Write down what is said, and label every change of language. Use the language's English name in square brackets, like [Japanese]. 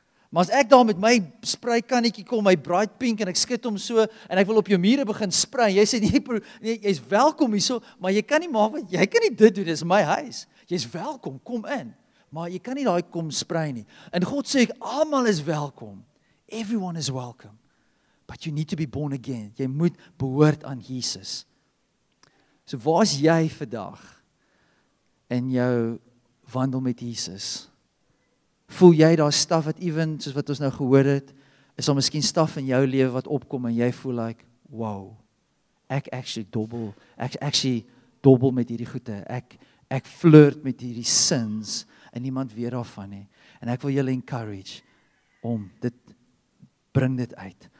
[Afrikaans] maar as ek daar met my spreikannetjie kom, my bright pink, en ek skit hom so, en ek wil op jou mure begin sprei, jy sê, jy is welkom hier so, maar jy kan nie maak, jy kan nie dit doen, dis my huis, jy is welkom, kom in, maar jy kan nie daar kom sprei nie, en God sê, almal is welkom, [English] everyone is welcome, but you need to be born again. [Afrikaans] Jy moet behoort aan Jesus. So waar is jy vandag in jou wandel met Jesus? Voel jy daar staf wat even, soos wat ons nou gehoor het, is al miskien staf in jou lewe wat opkom en jy voel like, wow, ek actually dobbel met hierdie goede. Ek flirt met hierdie sins en niemand weet daarvan nie. En ek wil julle encourage om dit, bring dit uit.